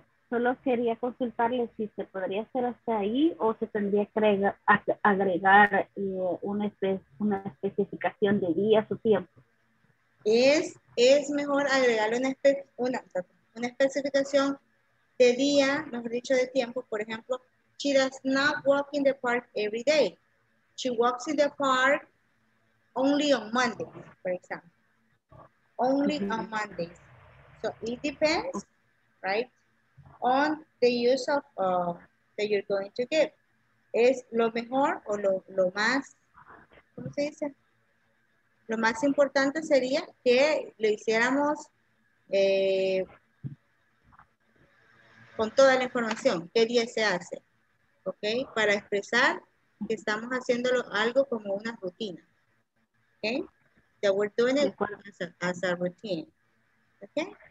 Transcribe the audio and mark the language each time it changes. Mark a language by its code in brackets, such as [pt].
[es] Solo quería consultarle si se podría hacer hasta ahí o se tendría que agregar una especificación de días o tiempo. Es mejor agregarle una especificación de día, mejor dicho, de tiempo. Por ejemplo, [en] she does not walk in the park every day. She walks in the park only on Mondays, for example. Only on Mondays. So it depends, right, on the use of that you're going to give. [es] Es lo mejor o lo más, ¿cómo se dice? Lo más importante sería que lo hiciéramos con toda la información, qué día se hace, ¿ok? Para expresar que estamos haciéndolo algo como una rutina, ¿ok? [en] That we're doing it as a routine, ¿ok?